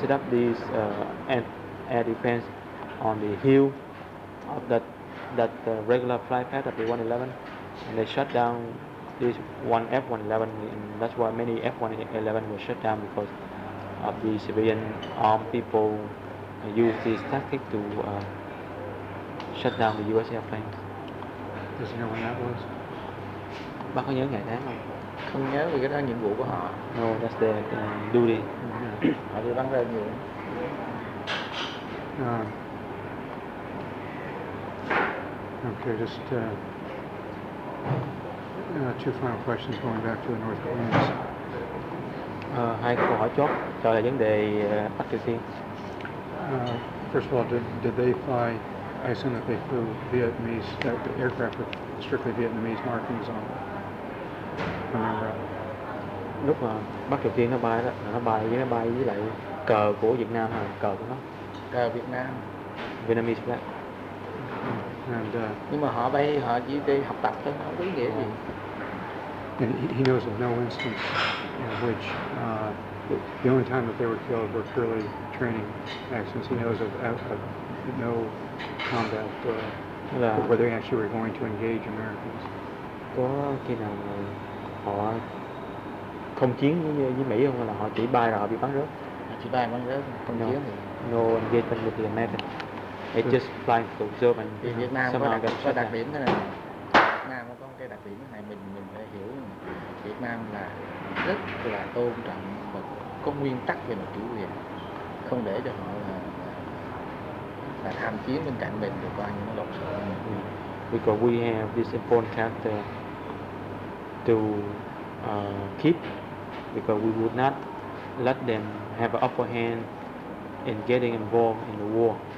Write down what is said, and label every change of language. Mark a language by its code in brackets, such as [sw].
[en] these air defense on the hill of that regular flight path of the 111, and they shut down this one F-111, and that's why many F-111 were shut down because of the civilian armed people. Use this tactic to shut down the U.S. airplane. Does he know when that was? [vi] Bác có nhớ ngày tháng không? Không nhớ vì cái đó là nhiệm vụ của họ. [en] No, that's their duty. [vi] Họ đi bắn ra nhiều. [en] Okay, just two final questions going back to the North Koreans. [vi] Hai câu hỏi chốt cho là vấn đề Bắc Triều Tiên. [en] First of all, did they fly? I assume that they flew Vietnamese, that the aircraft with strictly Vietnamese markings on. Remember? [vi] Lúc mà Bắc Triều Tiên nó bay đó, nó bay với lại cờ của Việt Nam hả? Cờ của nó. Cờ Việt Nam. [en] Vietnamese flag. And. [vi] Nhưng mà họ bay, họ chỉ đi học tập thôi, không có ý nghĩa gì. [en] And he knows of no instance in which. The only time that they were killed were purely training accidents. He knows of no combat where they actually were going to engage Americans. [vi] Có khi nào họ không chiến với Mỹ không, là họ chỉ bay rồi họ bị bắn rớt? Chỉ bay bắn rớt, không chiến. [en] No engagement with the Americans. They just fly to observe and [vi] Việt Nam có đặc điểm thế này. Việt Nam có cái đặc điểm thế này, mình phải hiểu. Việt Nam là rất là tôn trọng và có nguyên tắc về mặt chủ quyền, không để cho họ là tham chiến bên cạnh mình được, coi như nó lộn xộn. [en] Because we have this important character to keep, because we would not let them have an upper hand in getting involved in the war.